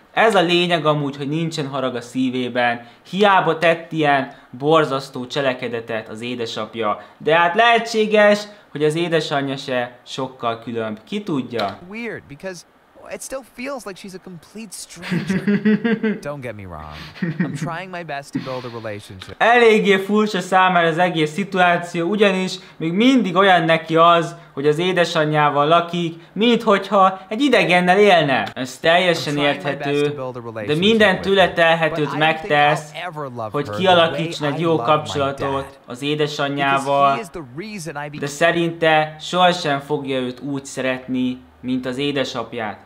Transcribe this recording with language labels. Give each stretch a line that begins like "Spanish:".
Hungarian: Ez a lényeg amúgy, hogy nincsen harag a szívében, hiába tett ilyen borzasztó cselekedetet az édesapja. De hát lehetséges, hogy az édesanyja se sokkal különb. Ki tudja?
English: It still feels like she's a complete stranger. Don't get me wrong. I'm trying my best to build a relationship.
Hungarian: Eléggé furcsa számára az egész szituáció, ugyanis még mindig olyan neki az, hogy az édesanyjával lakik, minthogyha egy idegennel élne. Ez teljesen érthető, de minden tőle telhetőt megtesz, hogy kialakítson egy jó kapcsolatot az édesanyjával, de szerinte sohasem fogja őt úgy szeretni, mint az édesapját.